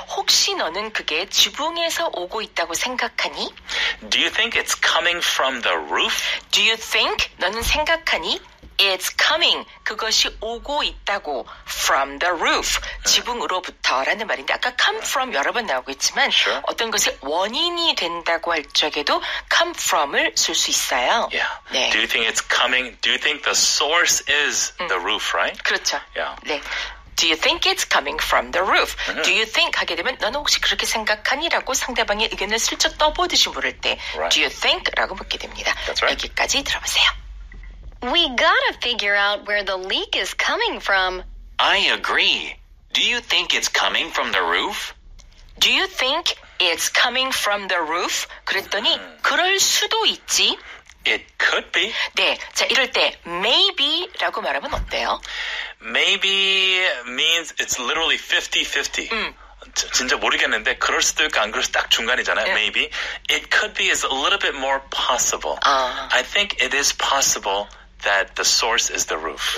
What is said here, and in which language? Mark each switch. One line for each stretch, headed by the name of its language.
Korean: 혹시 너는 그게 지붕에서 오고 있다고 생각하니?
English: Do you think it's coming from the roof? Do you think
Korean: 너는 생각하니?
English: It's coming.
Korean: 그것이 오고 있다고.
English: From the roof.
Korean: 지붕으로부터라는 말인데 아까 come from 여러 번 나오고 있지만
English: sure.
Korean: 어떤 것의 원인이 된다고 할 적에도 come from을 쓸 수 있어요.
English: Yeah. 네. Do you think it's coming? Do you think the source is the roof, right?
Korean: 그렇죠.
English: Yeah.
Korean: 네.
English: Do you think it's coming from the roof?
Korean: Mm-hmm.
English: Do you think
Korean: 하게 되면 너는 혹시 그렇게 생각하니? 라고 상대방의 의견을 슬쩍 떠보듯이 물을 때
English: right. Do you think?
Korean: 라고 묻게 됩니다.
English: That's right.
Korean: 여기까지 들어보세요.
English: We gotta figure out where the leak is coming from. I agree. Do you think it's coming from the roof? Do you think it's coming from the roof?
Korean: 그랬더니 그럴 수도 있지.
English: It could be.
Korean: 네, 자 이럴 때 maybe라고 말하면 어때요?
English: Maybe means it's literally 50-50.
Korean: 진짜 모르겠는데 그럴 수도 있고 안 그럴 수도 딱 중간이잖아요.
English: Yeah. Maybe. It could be is a little bit more possible. I think it is possible that the source is the roof.